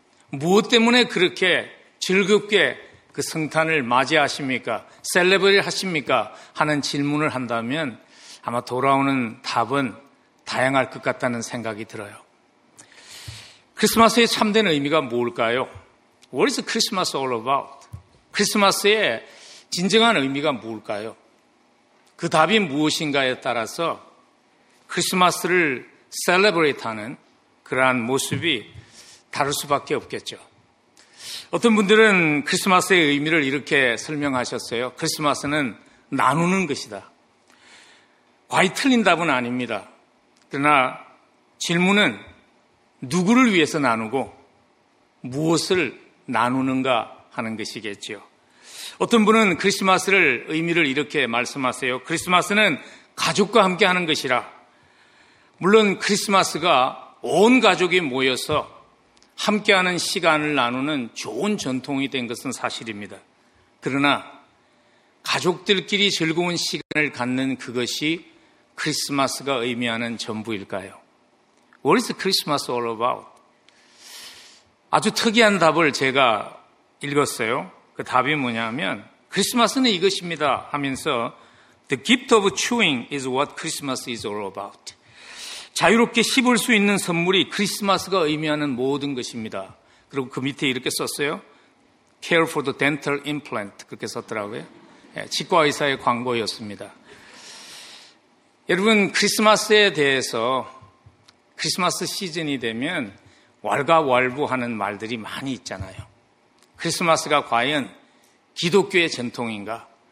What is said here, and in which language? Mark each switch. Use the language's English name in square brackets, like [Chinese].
[Korean] 무엇 때문에 그렇게 즐겁게 그 성탄을 맞이하십니까? 셀레브레이트 하십니까? 하는 질문을 한다면 아마 돌아오는 답은 다양할 것 같다는 생각이 들어요. 크리스마스의 참된 의미가 뭘까요? [English] What is Christmas all about? [Korean] 크리스마스의 진정한 의미가 뭘까요? 그 답이 무엇인가에 따라서 크리스마스를 셀레브레이트하는 그러한 모습이 다를 수밖에 없겠죠. 어떤 분들은 크리스마스의 의미를 이렇게 설명하셨어요. 크리스마스는 나누는 것이다. 과히 틀린 답은 아닙니다. 그러나 질문은 누구를 위해서 나누고 무엇을 나누는가 하는 것이겠죠. 어떤 분은 크리스마스를 의미를 이렇게 말씀하세요. 크리스마스는 가족과 함께 하는 것이라. 물론 크리스마스가 온 가족이 모여서 함께하는 시간을 나누는 좋은 전통이 된 것은 사실입니다. 그러나 가족들끼리 즐거운 시간을 갖는 그것이 크리스마스가 의미하는 전부일까요? [English] What is Christmas all about? [Korean] 아주 특이한 답을 제가 읽었어요. 그 답이 뭐냐면 크리스마스는 이것입니다 하면서 [English] The gift of chewing is what Christmas is all about. [Korean] 자유롭게 씹을 수 있는 선물이 크리스마스가 의미하는 모든 것입니다. 그리고 그 밑에 이렇게 썼어요. [English] Care for the dental implant [Korean] 그렇게 썼더라고요. 네, 치과의사의 광고였습니다. 여러분 크리스마스에 대해서 크리스마스 시즌이 되면 왈가왈부하는 말들이 많이 있잖아요. 크리스마스가 과연 기독교의 전통인가?